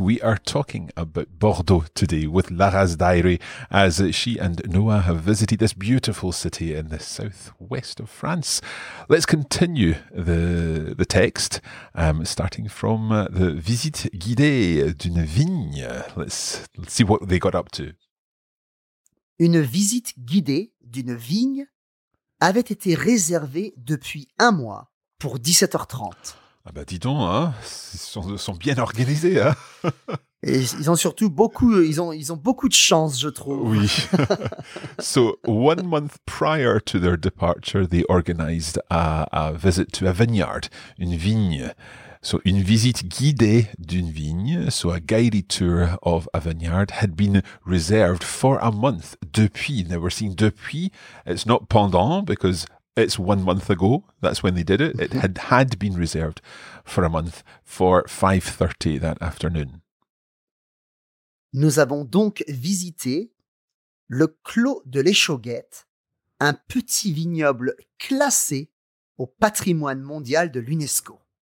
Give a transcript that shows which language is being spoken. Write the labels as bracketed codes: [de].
[en] We are talking about Bordeaux today with Lara's diary as she and Noah have visited this beautiful city in the southwest of France. Let's continue the text, starting from the [fr] visite guidée d'une vigne. [en] Let's see what they got up to. [fr] Une visite guidée d'une vigne avait été réservée depuis un mois pour 17h30. Ah ben dis donc, hein, ils sont bien organisés. Hein. Et ils ont surtout beaucoup, ils ont beaucoup de chance, je trouve. Oui. [en] So, 1 month prior to their departure, they organized a visit to a vineyard, [fr] une vigne. [en] So, [fr] une visite guidée d'une vigne, [en] so a guided tour of a vineyard, had been reserved for a month depuis. They were saying depuis, it's not pendant, because it's 1 month ago. That's when they did it. It had been reserved for a month for 5:30 that afternoon. [fr] Nous avons donc visité le Clos de l'Échauguette, un petit vignoble classé au patrimoine mondial de l'UNESCO.